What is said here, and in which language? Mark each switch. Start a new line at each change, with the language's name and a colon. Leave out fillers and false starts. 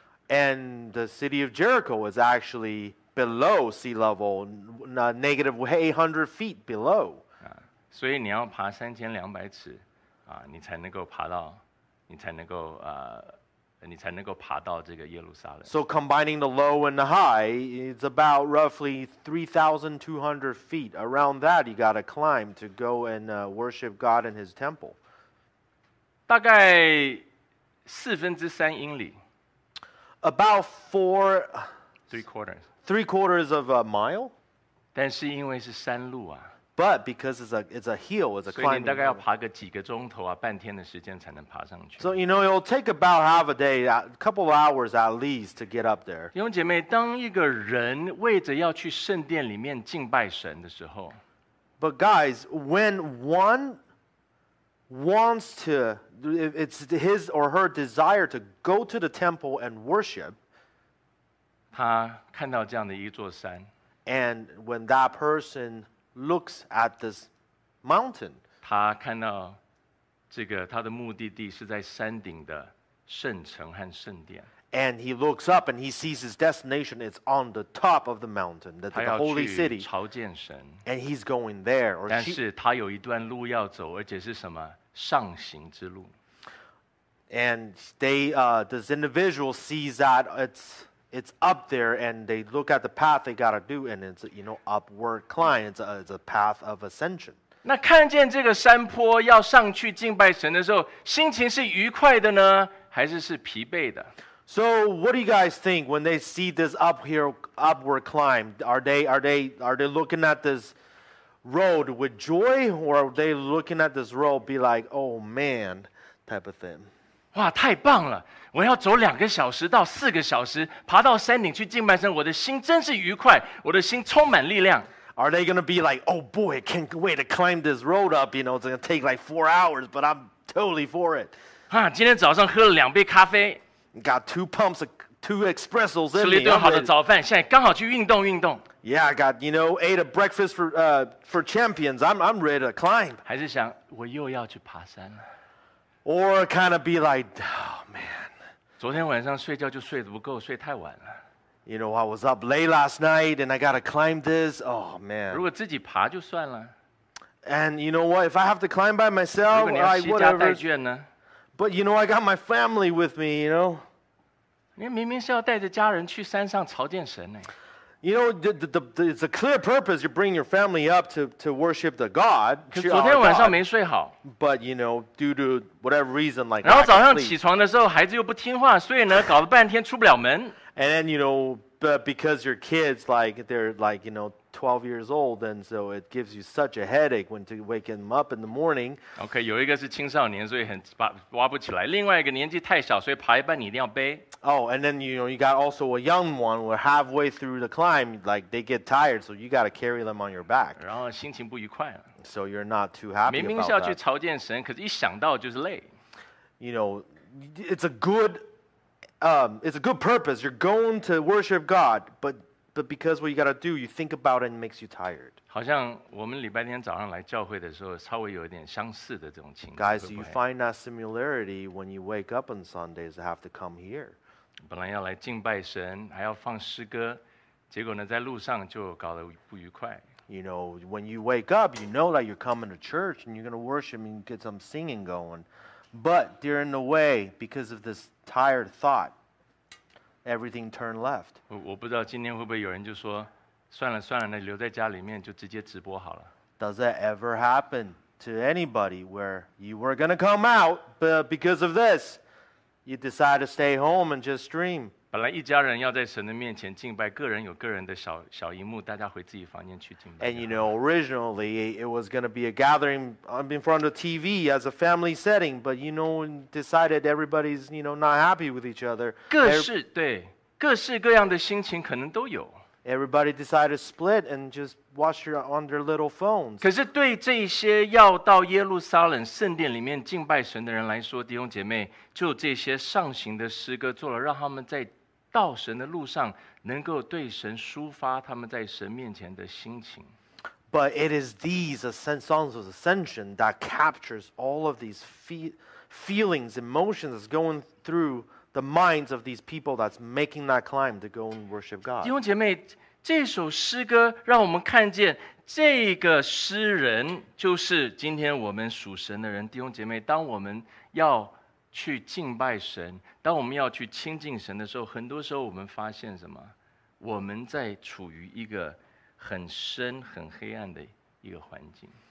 English: And the city of Jericho was actually below sea level, negative 800 feet below.
Chinese: 所以你要爬3200尺，你才能够爬到，你才能够爬到这个耶路撒冷。
English: So combining the low and the high, it's about roughly 3,200 feet. Around that, you got to climb to go and worship God in his temple.
Chinese: 大概四分之三英里。
English: About three quarters. 3/4 of a mile.
Chinese: 但是因为是山路啊。
English: But because it's a hill, it's a climbing.
Chinese: 所以你大概要爬个几个钟头啊，半天的时间才能爬上去。
English: So you know it'll take about half a day, a couple of hours at least to get up there.
Chinese: 弟兄姐妹，当一个人为着要去圣殿里面敬拜神的时候。
English: But guys, when one wants to, it's his or her desire to go to the temple and worship.
Chinese: 他看到这样的一座山。
English: And when that person looks at this mountain,
Chinese: 他看到这个他的目的地是在山顶的圣城和圣殿。
English: And he looks up and he sees his destination. It's on the top of the mountain, the holy city.
Chinese: 他要去朝见神。
English: And he's going there.
Chinese: 但是他有一段路要走，而且是什么上行之路。
English: And this individual sees that it's up there, and they look at the path they gotta do, and it's upward climb. It's a path of ascension.
Chinese: 那看见这个山坡要上去敬拜神的时候，心情是愉快的呢，还是疲惫的？
English: So what do you guys think when they see this upward climb? Are they looking at this road with joy, or are they looking at this road be like, oh man, type of thing?
Chinese: 哇，太棒了！我要走2-4小时，爬到山顶去敬拜神，我的心真是愉快，我的心充满力量。
English: Are they gonna be like, oh boy, can't wait to climb this road up? You know, it's gonna take like 4 hours, but I'm totally for it.
Chinese: 哈，今天早上喝了两杯咖啡。
English: Got two pumps, two espressos in me.
Chinese: 吃了一顿好的早饭，现在刚好去运动运动。
English: Yeah, I got ate a breakfast for champions. I'm ready to climb.
Chinese: 还是想我又要去爬山了。
English: Or kind of be like, oh man.
Chinese: 昨天晚上睡觉就睡得不够，睡太晚了。
English: You know, I was up late last night, and I gotta climb this. Oh man.
Chinese: 如果自己爬就算了。
English: And you know what? If I have to climb by myself, whatever.
Chinese: 如果你要携家带眷呢？
English: But you know, I got my family with me, you know.
Chinese: 你明明是要带着家人去山上朝见神呢。
English: You know, the it's a clear purpose. You bring your family up to worship the God.
Chinese: 昨天晚上没睡好。
English: But you know, due to whatever reason, like.
Chinese: 然后早上起床的时候，孩子又不听话，所以呢，搞了半天出不了门。
English: And then, you know, but because your kids like they're like you know 12 years old, and so it gives you such a headache when to wake them up in the morning.
Chinese: Okay, 有一个是青少年，所以很挖不起来。另外一个年纪太小，所以爬一半你一定要背。
English: Oh, and then you know you got also a young one where halfway through the climb, like they get tired, so you got to carry them on your back.
Chinese: 然后心情不愉快了。
English: So you're not too happy.
Chinese: 明明是要去朝见神，可是一想到就是累。
English: You know, it's a good. It's a good purpose. You're going to worship God, but because what you got to do, you think about it and it makes you tired.
Chinese: 好像我们礼拜天早上来教会的时候，稍微有一点相似的这种情况。
English: Guys, you find that similarity when you wake up on Sundays and have to come here.
Chinese: 本来要来敬拜神，还要放诗歌，结果呢，在路上就搞得不愉快。
English: You know, when you wake up, you know that you're coming to church and you're going to worship and get some singing going. But during the way, because of this tired thought, everything turned left.
Chinese: 我不知道今天会不会有人就说，算了算了，那留在家里面就直接直播好了。
English: Does that ever happen to anybody where you were going to come out, but because of this, you decide to stay home and just stream?
Chinese: 本来一家人要在神的面前敬拜，个人有个人的小荧幕，大家回自己房间去敬拜。
English: And you know, originally it was going to be a gathering in front of TV as a family setting, but you know, decided everybody's not happy with each other.
Chinese: 各式各样的心情可能都有。
English: Everybody decided to split and just watch on their little phones.
Chinese: 可是对这些要到耶路撒冷圣殿里面敬拜神的人来说，弟兄姐妹，就这些上行的诗歌做了，让他们在到神的路上能够对神抒发他们在神面前的心情。
English: But it is these songs of ascension that captures all of these feelings, emotions going through. The minds of these people that's making that climb to go and worship God.
Chinese: 弟兄姐妹，这首诗歌让我们看见这个诗人就是今天我们属神的人。弟兄姐妹，当我们要去敬拜神，当我们要去亲近神的时候，很多时候我们发现什么？我们在处于一个很深、很黑暗的一个环境。